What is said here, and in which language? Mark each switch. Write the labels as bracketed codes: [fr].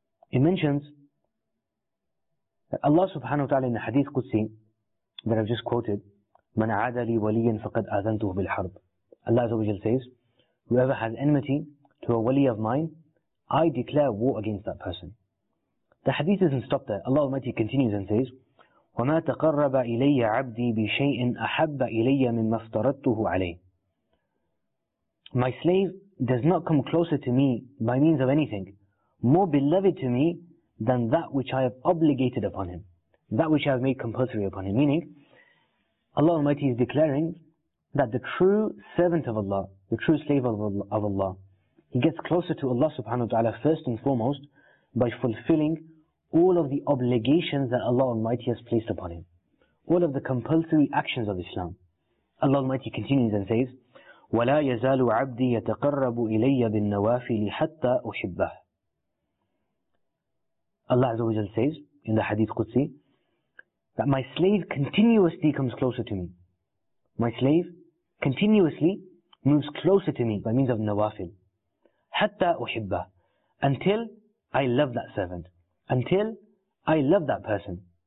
[en] It mentions that Allah subhanahu wa ta'ala in the hadith Qudsi that I've just quoted, [ar] مَنْ عَادَ لِي وَلِيًّا فَقَدْ أَذَنْتُهُ بِالْحَرْبِ. [en] Allah says, whoever has enmity to a wali of mine, I declare war against that person. The hadith doesn't stop there. Allah Almighty continues and says, [ar] وَمَا تَقَرَّبَ إِلَيَّ عَبْدِي بِشَيْءٍ أَحَبَّ إِلَيَّ مِمَّا افْتَرَدْتُهُ عَلَيْهِ. [en] My slave does not come closer to me by means of anything more beloved to me than that which I have obligated upon him, that which I have made compulsory upon him. Meaning, Allah Almighty is declaring that the true servant of Allah, the true slave of Allah, he gets closer to Allah subhanahu wa ta'ala first and foremost by fulfilling all of the obligations that Allah Almighty has placed upon him, all of the compulsory actions of Islam. Allah Almighty continues and says, [ar] وَلَا يَزَالُ عَبْدِي يَتَقَرَّبُ إِلَيَّ بِالنَّوَافِلِ حَتَّى أُحِبَّهُ. [en] Allah Azza wa Jal says in the Hadith Qudsi that my slave continuously comes closer to me. My slave continuously moves closer to me by means of nawafil. [ar] حَتَّى أُحِبَّهُ. [en] Until I love that servant. Until I love that person.